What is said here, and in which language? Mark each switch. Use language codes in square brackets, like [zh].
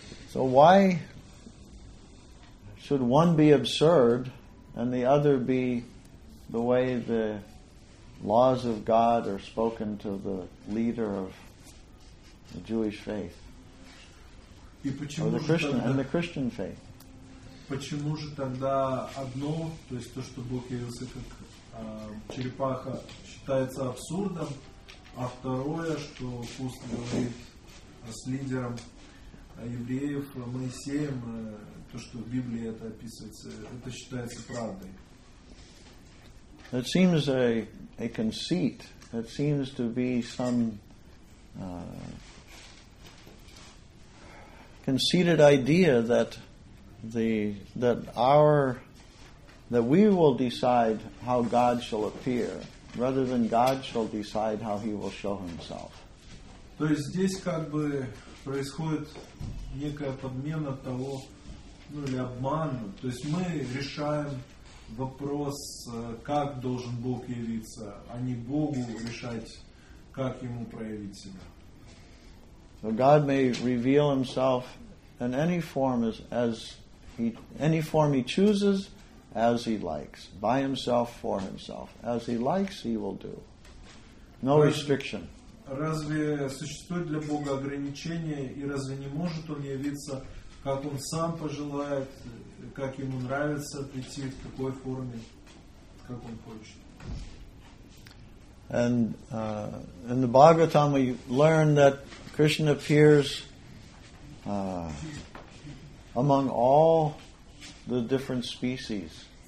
[en] So why should one be absurd and the other be the way the laws of God are spoken to the leader of the Jewish faith? Or the Christian, and the Christian faith. [ru] Почему же тогда одно, то есть то, что Бог явился как черепаха, считается абсурдом, а второе, что Куст говорит с лидером евреев Моисеем, то, что в Библии это описывается, это считается правдой? [en] It seems a conceit. It seems to be some conceited idea that that we will decide how God shall appear, rather than God shall decide how He will show Himself. [ru] То есть здесь как бы происходит некая подмена того, ну или обман. То есть мы решаем вопрос, как должен Бог явиться, а не Богу решать, как Ему проявить себя. [en] So God may reveal Himself in any form any form He chooses, as He likes, by Himself, for Himself. As He likes, He will do. No restriction. [ru] Разве существует для Бога ограничение, и разве не может Он явиться, как Он сам пожелает, как Ему нравится прийти, в какой форме, как Он хочет? [en] And in the Bhagavatam we learn that Krishna appears among all the different species.